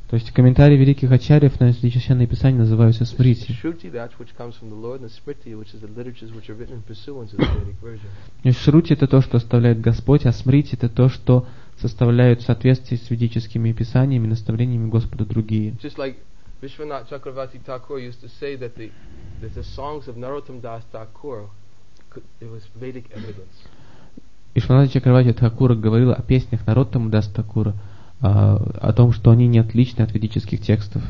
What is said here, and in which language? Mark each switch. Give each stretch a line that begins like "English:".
Russian: То есть комментарии великих ачарьев на священные писания называются Смрити.
English: Shruti, that which comes from the Lord, and the Smriti, which is the literatures which are written in pursuance of the Vedic version.
Russian: Шрути — это то, что оставляет Господь, а Смрити — это то, что составляют в соответствии с ведическими писаниями, наставлениями Господа другие.
English: Just like Vishwanath Chakravarti Thakur used to say that the songs of Narottam Das Thakur, it was Vedic evidence.
Russian: Vishwanath Chakravarti Thakur говорил о песнях Narottam Das Thakur, о том, что они не отличны от ведических текстов.